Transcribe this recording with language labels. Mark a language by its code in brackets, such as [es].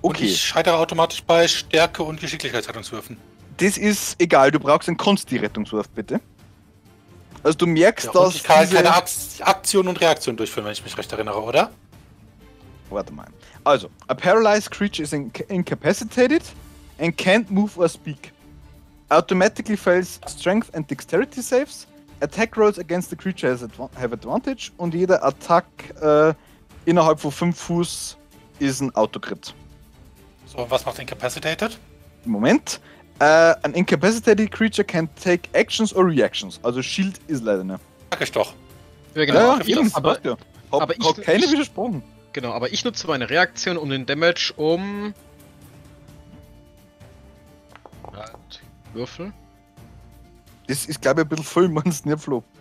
[de] Und ich scheitere automatisch bei Stärke- und Geschicklichkeitsrettungswürfen. Das ist egal, du brauchst einen Konsti-Rettungswurf, bitte. Also du merkst, ja, dass ich kann diese... keine Aktion und Reaktion durchführen, wenn ich mich recht erinnere, oder? Warte mal. [en] Also, a paralyzed creature is incapacitated and can't move or speak. Automatically fails strength and dexterity saves. Attack rolls against the creature have advantage. [de] Und jeder Attack innerhalb von 5 Fuß ist ein Autocrit. So, was macht incapacitated? Moment. [en] An incapacitated creature can take actions or reactions. [de] Also Shield ist leider ne. Sag ich doch. Ja, genau. Ich habe keine widersprochen. Genau, aber ich nutze meine Reaktion um den Damage um... Halt, Würfel. Das ist, glaube ich, ein bisschen voll, man ist nicht Flo.